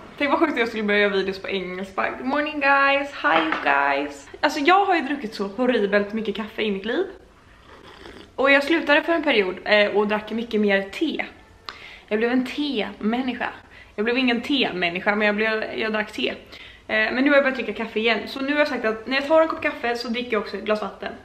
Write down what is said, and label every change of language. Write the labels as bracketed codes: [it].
[sv] Tänk vad sjukt att jag skulle börja göra videos på engelska. [en] Good morning guys, hi you guys. [sv] Alltså jag har ju druckit så horribelt mycket kaffe i mitt liv. Och jag slutade för en period och drack mycket mer te. Jag blev en te-människa. Jag blev ingen te-människa, men jag drack te. Men nu har jag börjat dricka kaffe igen. Så nu har jag sagt att när jag tar en kopp kaffe så dricker jag också ett glas vatten.